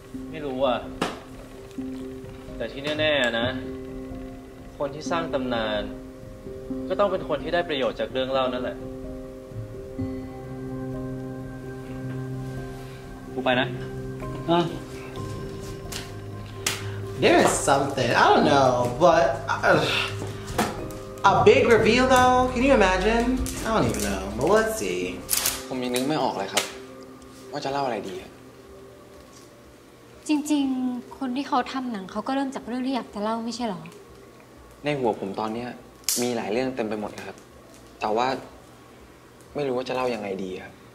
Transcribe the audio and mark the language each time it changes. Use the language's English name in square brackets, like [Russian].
[Thai] ไม่รู้อ่ะแต่ที่แน่ๆนะคนที่สร้างตำนานก็ต้องเป็นคนที่ได้ประโยชน์จากเรื่องเล่านั่นแหละกูไปนะ [English] There is something I don't know, but a big reveal though. Can you imagine? I don't even know, but let's see. [Thai] ผมยังนึกไม่ออกเลยครับว่าจะเล่าอะไรดี จริงๆคนที่เขาทำหนังเขาก็เริ่มจากเรื่องที่อยากจะเล่าไม่ใช่หรอ ในหัวผมตอนเนี้ยมีหลายเรื่องเต็มไปหมดครับแต่ว่าไม่รู้ว่าจะเล่ายังไงดีครับ